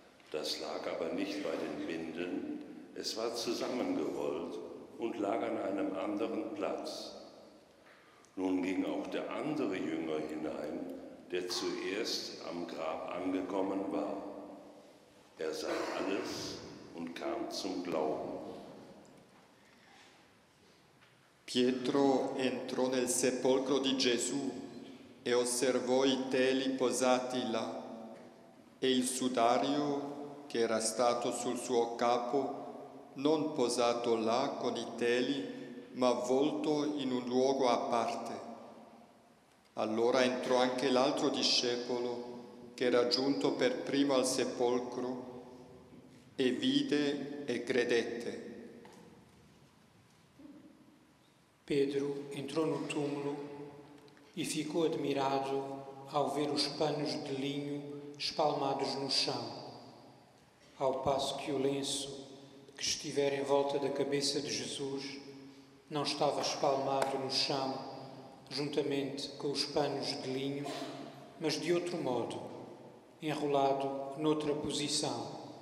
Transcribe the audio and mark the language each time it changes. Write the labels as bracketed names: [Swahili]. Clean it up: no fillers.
[German] Das lag aber nicht bei den Binden, es war zusammengerollt und lag an einem anderen Platz. Nun ging auch der andere Jünger hinein, der zuerst am Grab angekommen war. Er sah alles und kam zum Glauben. [Italian] Pietro entrò nel sepolcro di Gesù e osservò i teli posati là e il sudario che era stato sul suo capo, non posato là con i teli, ma avvolto in un luogo a parte. Allora entrò anche l'altro discepolo che era giunto per primo al sepolcro e vide e credette. [Portuguese] Pedro entrou no túmulo e ficou admirado ao ver os panos de linho espalmados no chão, ao passo que o lenço que estivera em volta da cabeça de Jesus não estava espalmado no chão juntamente com os panos de linho, mas de outro modo, enrolado noutra posição.